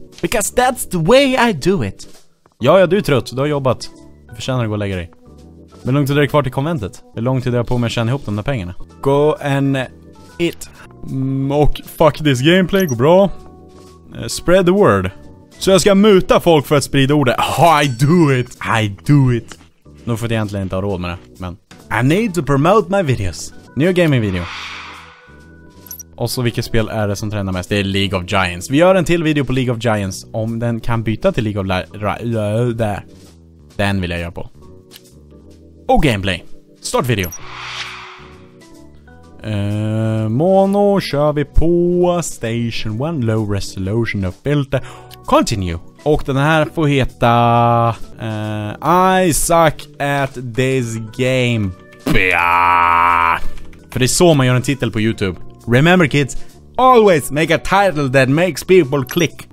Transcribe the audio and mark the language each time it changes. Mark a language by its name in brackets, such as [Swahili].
[English] Because that's the way I do it. [Swedish] Ja, ja, du är trött. Du har jobbat. Du förtjänar att gå och lägga dig. Hur lång tid är det kvar till konventet? Hur lång tid är det på mig att tjäna ihop de där pengarna? [English] Go and eat. Och fuck this gameplay. [Swedish] Går bra. [English] Spread the word. [Swedish] Så jag ska muta folk för att sprida ordet. [English] Oh, I do it. I do it. [Swedish] Nu får jag egentligen inte ha råd med det, men... [English] I need to promote my videos. New gaming video. [Swedish] Och så vilket spel är det som tränar mest? Det är League of Giants. Vi gör en till video på League of Giants. Om den kan byta till League of där. Den vill jag göra på. Och gameplay. [English] Start video. [Swedish] Mono kör vi på. Station 1. [English] Low resolution of filter. [Swedish] Continue. Och den här får heta... [English] I suck at this game. [Swedish] Bia. För det är så man gör en titel på YouTube. [English] Remember kids, always make a title that makes people click.